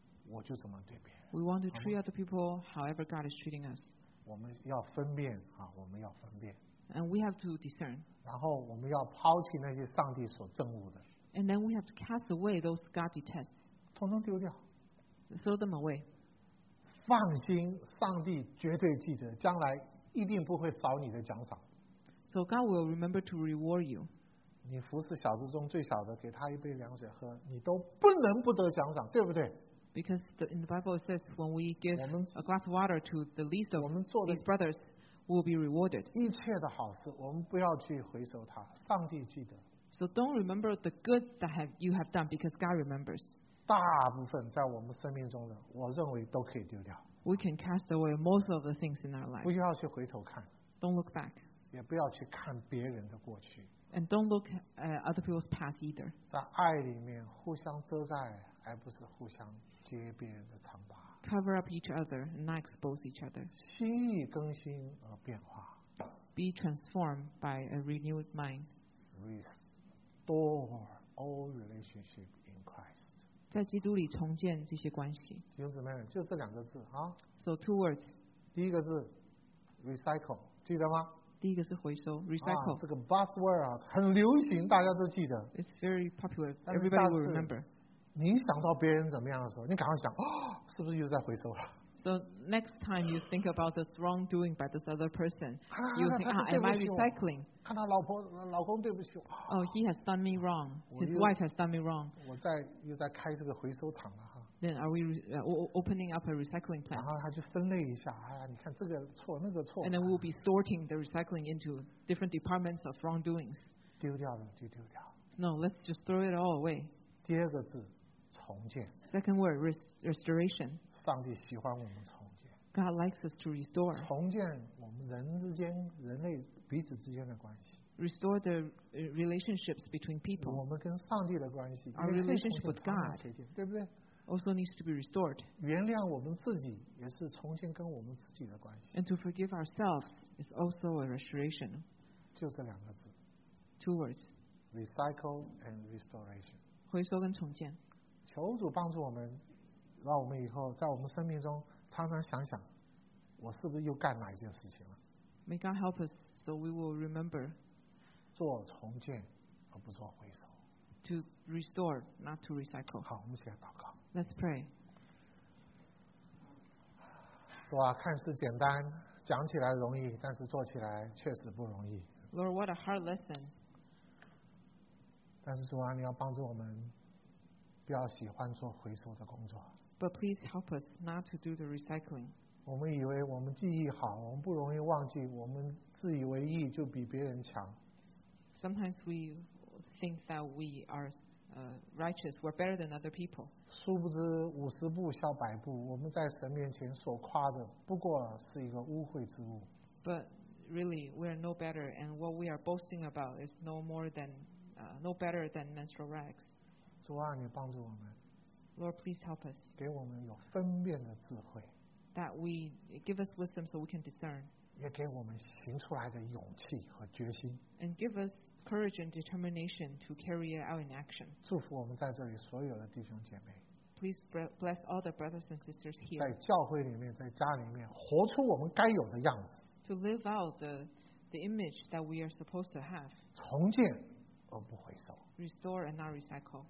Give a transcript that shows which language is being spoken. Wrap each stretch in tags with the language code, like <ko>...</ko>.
<en>we want to treat other people however God is treating us.</en> <zh>我们要分辨, 啊, 我们要分辨,</zh> <en>and we have to discern.</en> <zh>然后我们要抛弃那些上帝所憎恶的,</zh> <en>and then we have to cast away those God detests.</en> <zh>统统丢掉,</zh> <en>throw them away.</en> <zh>放心,上帝绝对记得, 将来一定不会少你的奖赏。</zh> <en>So God will remember to reward you.</en> <zh>你服侍小族中最小的, 给他一杯凉水喝, 你都不能不得奖赏, 对不对?</zh> <en>Because in the Bible it says when we give</en> <zh>我们,</zh> <en>a glass of water to the least of these brothers, we will be rewarded.</en> <zh>一切的好事, 我们不要去回首他, 上帝记得。</zh> <en>So don't remember the goods that you have done because God remembers.</en> <zh>大部分在我们生命中的, 我认为都可以丢掉。</zh> <en>We can cast away most of the things in our life.</en> <zh>不要去回头看,</zh> <en>don't look back.</en> <zh>也不要去看别人的过去,</zh> <en>and don't look at other people's past either.</en> <zh>在爱里面互相遮盖,</zh> <en>cover up each other and not expose each other.</en> <zh>心意更新而变化,</zh> <en>be transformed by a renewed mind. Restore all relationship in Christ.</en> <zh>在基督里重建这些关系。弟兄姊妹们, 就这两个字, 啊?</zh> <en>So two words.</en> <zh>第一个字, recycle, 记得吗? 第一个是回收, recycle. 啊, 这个 buzzword 啊, 很流行, 大家都记得。</zh> <en>It's very popular, everybody will remember.</en> <zh>你想到别人怎么样的时候, 你赶快想, 哦, 是不是又在回收了?</zh> <en>So next time you think about this wrongdoing by this other person, you think, ah, am I recycling?</en> <zh>看他老婆, 老公对不起,</zh> <en>oh, he has done me wrong. His wife has done me wrong.</en> <zh>我又在开这个回收厂了。</zh> <en>Then are we opening up a recycling plant?</en> <zh>然后他就分类一下, 哎呀, 你看这个错, 那个错,</zh> <en>and then we'll be sorting the recycling into different departments of wrongdoings.</en> <zh>丢掉了就丢掉,</zh> <en>no, let's just throw it all away.</en> <zh>第二个字, 重建,</zh> <en>second word, restoration.</en> <zh>上帝喜欢我们重建,</zh> <en>God likes us to restore.</en> <zh>重建我们人之间, 人类彼此之间的关系,</zh> <en>restore the relationships between people.</en> <zh>我们跟上帝的关系,</zh> <en>our relationship with God,</en> <zh>对不对?</zh> <en>Also needs to be restored.</en> <zh>原谅我们自己,</zh> <en>and to forgive ourselves is also a restoration.</en> <zh>就这两个字,</zh> <en>two words. Recycle and restoration.</en> <zh>回收跟重建。求主帮助我们, 让我们以后, 在我们生命中, 常常想想, 我是不是又干哪一件事情了?</zh> <en>May God help us so we will remember.</en> <zh>做重建, 而不做回收。</zh> <en>To restore, not to recycle.</en> <zh>好, 我们先祷告。</zh> <en>Let's pray.</en> <zh>主啊, 看似简单, 讲起来容易, 但是做起来确实不容易。</zh> <en>Lord, what a hard lesson.</en> <zh>但是主啊, 你要帮助我们, 不要喜欢做回收的工作。</zh> <en>But please help us not to do the recycling.</en> <zh>我们以为我们记忆好, 我们不容易忘记, 我们自以为意, 就比别人强。</zh> <en>Sometimes we think that we are righteous, we're better than other people.</en> <zh>殊不知五十步笑百步, 我们在神面前所夸的不过是一个污秽之物。</zh> <en>But really, we are no better, and what we are boasting about is no more than no better than menstrual rags.</en> <zh>主啊, 你帮助我们,</zh> <en>Lord, please help us.</en> <zh>给我们有分辨的智慧,</zh> <en>that we give us wisdom so we can discern.</en> <zh>也给我们行出来的勇气和决心,</zh> <en>and give us courage and determination to carry it out in action.</en> <zh>祝福我们在这里所有的弟兄姐妹,</zh> <en>please bless all the brothers and sisters here.</en> <zh>在教会里面, 在家里面, 活出我们该有的样子,</zh> <en>to live out the image that we are supposed to have.</en> <zh>重建而不回收,</zh> <en>restore and not recycle.</en>